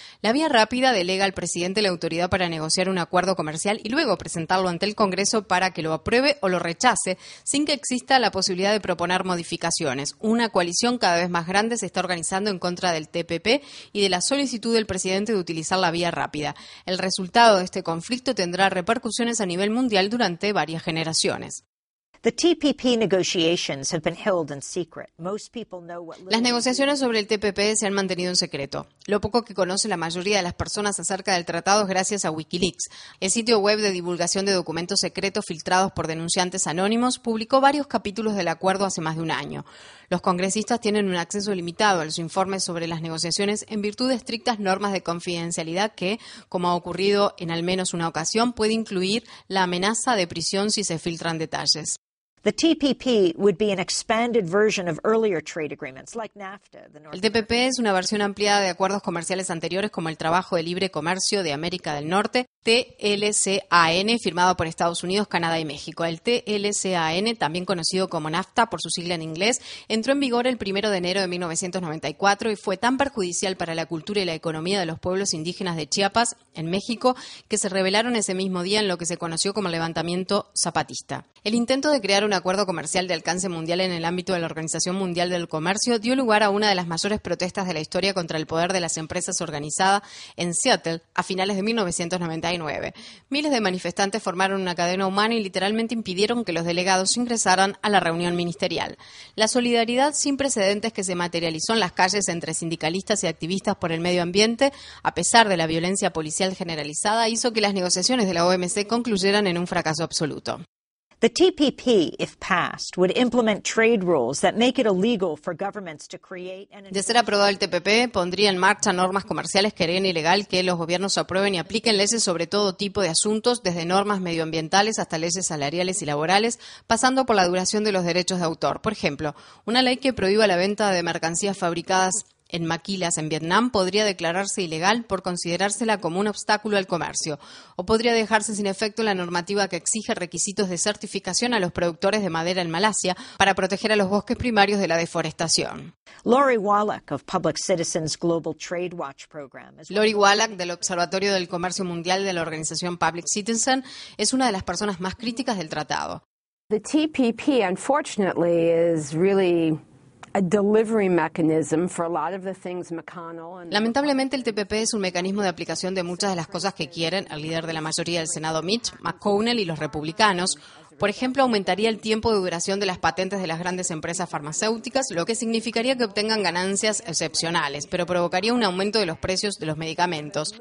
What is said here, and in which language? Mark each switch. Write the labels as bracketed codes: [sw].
[es] La Vía Rápida delega al presidente la autoridad para negociar un acuerdo comercial y luego presentarlo ante el Congreso para que lo apruebe o lo rechace, sin que exista la posibilidad de proponer modificaciones. Una coalición cada vez más grande se está organizando en contra del TPP y de la solicitud del presidente de utilizar la Vía Rápida. El resultado de este conflicto tendrá repercusiones a nivel mundial durante varias generaciones. [en] The TPP negotiations have been held in secret. Most people know what. [es] Las negociaciones sobre el TPP se han mantenido en secreto. Lo poco que conoce la mayoría de las personas acerca del tratado es gracias a WikiLeaks. El sitio web de divulgación de documentos secretos filtrados por denunciantes anónimos publicó varios capítulos del acuerdo hace más de un año. Los congresistas tienen un acceso limitado a los informes sobre las negociaciones en virtud de estrictas normas de confidencialidad que, como ha ocurrido en al menos una ocasión, puede incluir la amenaza de prisión si se filtran detalles. [en] The TPP would be an expanded version of earlier trade agreements like NAFTA. [es] El TPP es una versión ampliada de acuerdos comerciales anteriores como el Tratado de Libre Comercio de América del Norte, TLCAN, firmado por Estados Unidos, Canadá y México. El TLCAN, también conocido como NAFTA por su sigla en inglés, entró en vigor el 1 de enero de 1994 y fue tan perjudicial para la cultura y la economía de los pueblos indígenas de Chiapas, en México, que se rebelaron ese mismo día en lo que se conoció como el levantamiento zapatista. El intento de crear un acuerdo comercial de alcance mundial en el ámbito de la Organización Mundial del Comercio dio lugar a una de las mayores protestas de la historia contra el poder de las empresas organizada en Seattle a finales de 1994. Miles de manifestantes formaron una cadena humana y literalmente impidieron que los delegados ingresaran a la reunión ministerial. La solidaridad sin precedentes que se materializó en las calles entre sindicalistas y activistas por el medio ambiente, a pesar de la violencia policial generalizada, hizo que las negociaciones de la OMC concluyeran en un fracaso absoluto. [en] The TPP, if passed, would implement trade rules that make it illegal for governments to create and. [es] De ser aprobado el TPP, pondría en marcha normas comerciales que harían ilegal que los gobiernos aprueben y apliquen leyes sobre todo tipo de asuntos, desde normas medioambientales hasta leyes salariales y laborales, pasando por la duración de los derechos de autor. Por ejemplo, una ley que prohíba la venta de mercancías fabricadas en maquilas en Vietnam podría declararse ilegal por considerársela como un obstáculo al comercio, o podría dejarse sin efecto la normativa que exige requisitos de certificación a los productores de madera en Malasia para proteger a los bosques primarios de la deforestación. [en] Lori Wallach of Public Citizens Global Trade Watch Program. [es] Lori Wallach del Observatorio del Comercio Mundial de la organización Public Citizen es una de las personas más críticas del tratado. [en] The TPP, unfortunately, is really a delivery mechanism for a lot of the things McConnell and. [es] Lamentablemente, el TPP es un mecanismo de aplicación de muchas de las cosas que quieren el líder de la mayoría del Senado, Mitch McConnell, y los republicanos, Por ejemplo, aumentaría el tiempo de duración de las patentes de las grandes empresas farmacéuticas, lo que significaría que obtengan ganancias excepcionales, pero provocaría un aumento de los precios de los medicamentos.